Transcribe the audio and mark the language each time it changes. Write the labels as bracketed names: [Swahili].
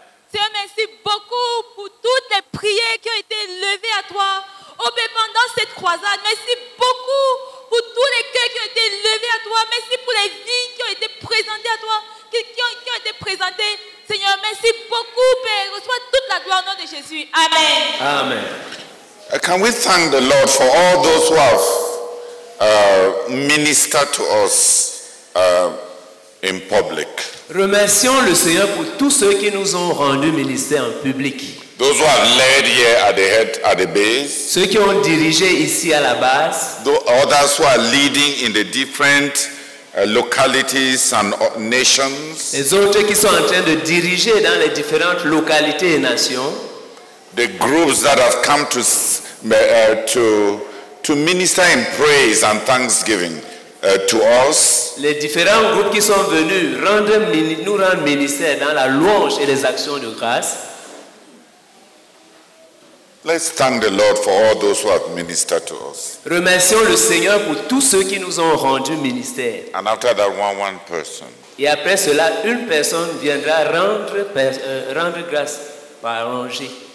[French] Seigneur, merci beaucoup pour toutes les prières qui ont été levées à toi pendant cette croisade. Merci beaucoup pour tous les cœurs qui ont été levés à toi. Merci pour les vies qui ont été présentées à toi, qui ont été présentées. Seigneur, merci beaucoup, Père. Reçois toute la gloire au nom de Jésus. Amen. Amen. [English] Can we thank the Lord for all those who have ministered to us in public? [French] Remercions le Seigneur pour tous ceux qui nous ont rendu ministère en public. [English] Those who have led here at the head, at the base. [French] Ceux qui ont dirigé ici à la base. [English] Those others who are leading in the different localities and nations. [French] Les autres qui sont en train de diriger dans les différentes localités et nations. [English] The groups that have come to minister in praise and thanksgiving to us. [French] Les différents groupes qui sont venus nous rendre ministère dans la louange et les actions de grâce. [English] Let's thank the Lord for all those who have ministered to us. [French] Remercions le Seigneur pour tous ceux qui nous ont rendu ministère. [English] And after that one person. [French] Et après cela, une personne viendra rendre grâce par rangée.